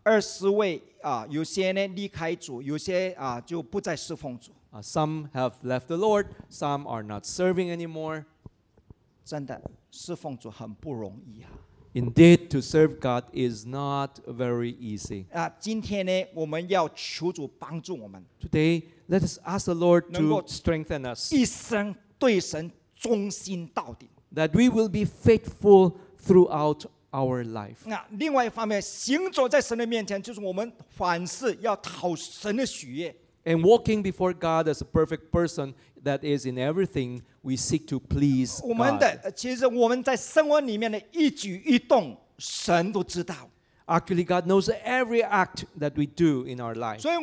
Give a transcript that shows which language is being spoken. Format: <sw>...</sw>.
<zh>20位, 有些呢离开主, 有些, 就不再侍奉主。</zh> <en>Some have left the Lord, some are not serving anymore.</en> <zh>真的, 侍奉主很不容易啊。</zh> <en>Indeed, to serve God is not very easy.</en> <zh>今天呢，我们要求主帮助我们。</zh> <en>Today, let us ask the Lord to strengthen us.</en> <zh>一生对神忠心到底。</zh> <en>That we will be faithful throughout our life.</en> <zh>另外一方面，行走在神的面前，就是我们凡事要讨神的喜悦。</zh> <en>And walking before God as a perfect person, that is in everything we seek to please God.</en> <zh>我们的, 其实我们在生活里面的一举一动, 神都知道。</zh> <en>Actually, God knows every act that we do in our life.</en>